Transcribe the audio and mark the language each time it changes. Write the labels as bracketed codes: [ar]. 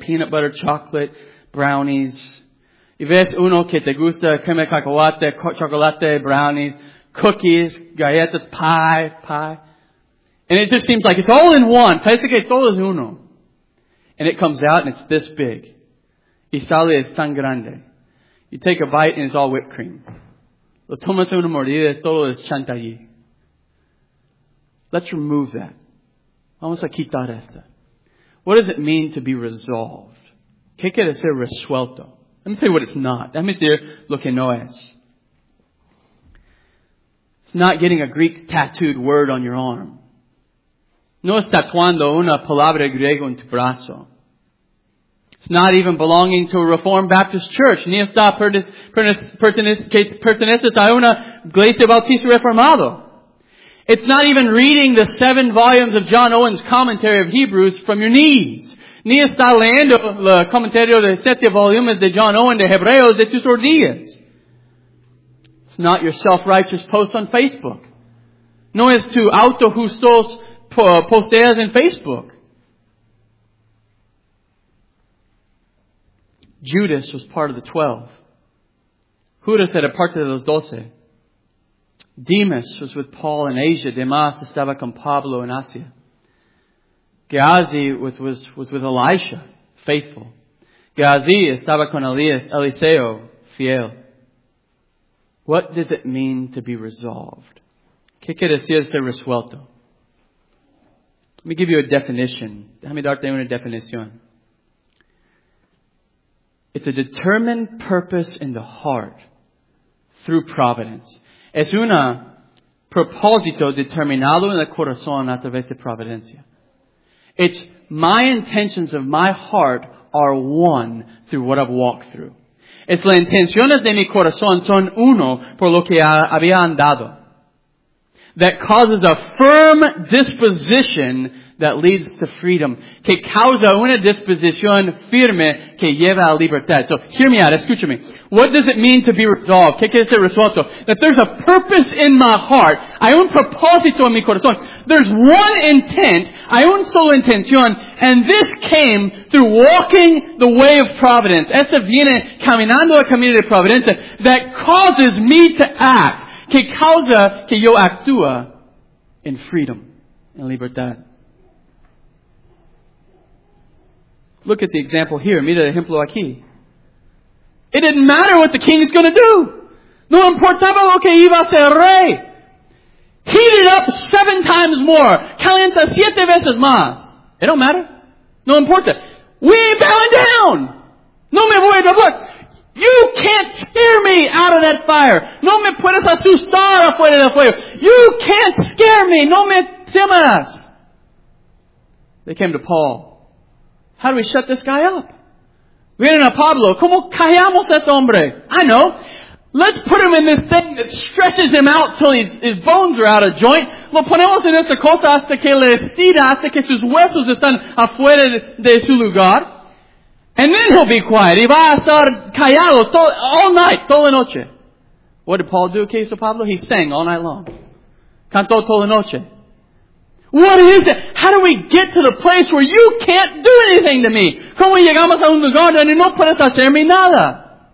[en] Peanut butter, chocolate, brownies. [es] Y ves uno que te gusta, crema de cacahuate, chocolate, brownies, cookies, galletas, pie. [en] And it just seems like it's all in one. [es] Parece que todo es uno. [en] And it comes out and it's this big. [es] Y sale es tan grande. [en] You take a bite and it's all whipped cream. [es] Lo tomas una mordida y todo es chantilly. [en] Let's remove that. [es] Vamos a quitar esta. [en] What does it mean to be resolved? [es] ¿Qué quiere decir resuelto? [en] Let me tell you what it's not. Let me [es] decir lo que no es. [en] It's not getting a Greek tattooed word on your arm. [es] No es tatuando una palabra griega en tu brazo. [en] It's not even belonging to a Reformed Baptist church. [es] Ni está perteneces a una iglesia bautista reformado. [en] It's not even reading the 7 volumes of John Owen's commentary of Hebrews from your knees. [es] Ni está leyendo el comentario de 7 volumes de John Owen de Hebreos de tus rodillas. [en] It's not your self-righteous post on Facebook. [es] No es tu autojustos posteas en Facebook. [en] Judas was part of the 12. [es] Judas era parte de los 12. [en] Demas was with Paul in Asia. [es] Demas estaba con Pablo en Asia. [en] Gehazi was with Elisha, faithful. [es] Gehazi estaba con Eliseo, fiel. [en] What does it mean to be resolved? [es] ¿Qué quiere decir ser resuelto? [en] Let me give you a definition. [es] Déjame darte una definición. [en] It's a determined purpose in the heart through providence. [es] Es un propósito determinado en el corazón a través de providencia. [en] It's my intentions of my heart are one through what I've walked through. [es] Es las intenciones de mi corazón son uno por lo que había andado. [en] That causes a firm disposition that leads to freedom, [es] que causa una disposición firme que lleva a libertad. [en] So hear me out, [es] escúchame. [en] What does it mean to be resolved? [es] ¿Qué quiere decir resuelto? [en] That there's a purpose in my heart. [es] Hay un propósito en mi corazón. There's one intent. Hay una sola intención. [en] And this came through walking the way of providence. [es] Esto viene caminando el camino de providencia [en] that causes me to act. [es] Que causa que yo actúe en freedom, en libertad. [en] Look at the example here. [es] Mira el ejemplo aquí. [en] It didn't matter what the king is going to do. [es] No importaba lo que iba a hacer el rey. [en] Heat it up 7 times more. [es] Calienta 7 veces más. [en] It don't matter. [es] No importa. [en] We ain't bowing down. [es] No me voy a doblar. [en] You can't scare me out of that fire. [es] No me puedes asustar afuera del fuego. [en] You can't scare me. [es] No me temas. [en] They came to Paul. How do we shut this guy up? [es] Vienen a Pablo. ¿Cómo callamos a este hombre? [en] I know. Let's put him in this thing that stretches him out till his bones are out of joint. [es] Lo ponemos en esta cosa hasta que le estira, hasta que sus huesos están afuera de su lugar. [en] And then he'll be quiet. He [es] va a estar callado [en] all night, [es] toda la noche. [en] What did Paul do in case of Pablo? He sang all night long. [es] Cantó toda la noche. [en] What is it? How do we get to the place where you can't do anything to me? [es] ¿Cómo llegamos a un lugar donde no puedes hacerme nada?